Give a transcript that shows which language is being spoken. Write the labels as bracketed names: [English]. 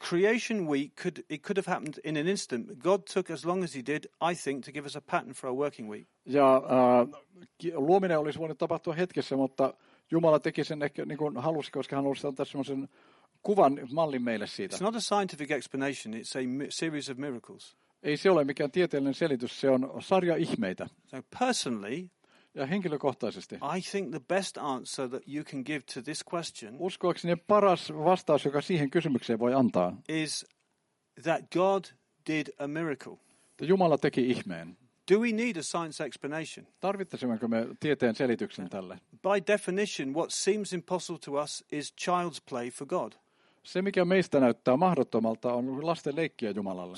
[English] Creation week could have happened in an instant. God took as long as he did, I think, to give us a pattern for our working week. [Finnish] Ja luominen olisi voinut tapahtua hetkessä, mutta Jumala teki sen ehkä niin kuin halusi, koska hän halusi antaa semmoisen kuvan mallin meille siitä. [English] It's not a scientific explanation, it's a series of miracles. [Finnish] Ei se ole mikään tieteellinen selitys, se on sarja ihmeitä. [English] So personally, [Finnish] ja henkilökohtaisesti, [English] I think the best answer that you can give to this question, [Finnish] uskoakseni paras vastaus, joka siihen kysymykseen voi antaa, [English] is that God did a miracle. [Finnish] Jumala teki ihmeen. [English] Do we need a science explanation? [Finnish] Tarvittaisimmeko me tieteen selityksen tälle? [English] By definition, what seems impossible to us is child's play for God. [Finnish] Se, mikä meistä näyttää mahdottomalta, on lasten leikkiä Jumalalle.